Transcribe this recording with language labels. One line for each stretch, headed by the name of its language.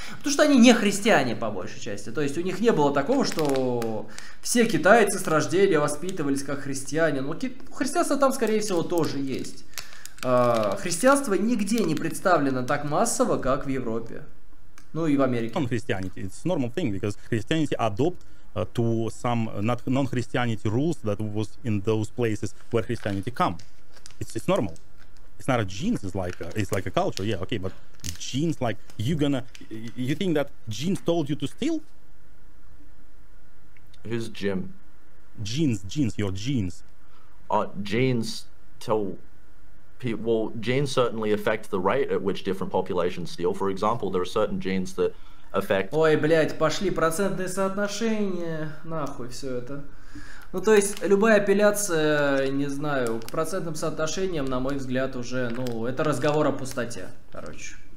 Russian: Потому что они не христиане по большей части. То есть у них не было такого, что все китайцы с рождения воспитывались как христиане. Но христианство там, скорее всего, тоже есть. Христианство нигде не представлено так массово, как в Европе. Ну и в Америке. Христианство.
English: It's normal thing, because Christianity adopt to some non-Christianity rules that was in those places where Christianity come. It's normal. It's not a genes, it's like a culture, yeah, okay, but genes, like, you think that genes told you to steal? Who's Jim? Genes, your genes. Genes tell people, well, genes certainly affect the rate at which different populations steal. For example, there are certain genes that effect.
Russian: Ой, блядь, пошли процентные соотношения, нахуй все это. Ну, то есть, любая апелляция, не знаю, к процентным соотношениям, на мой взгляд, уже, ну, это разговор о пустоте, короче.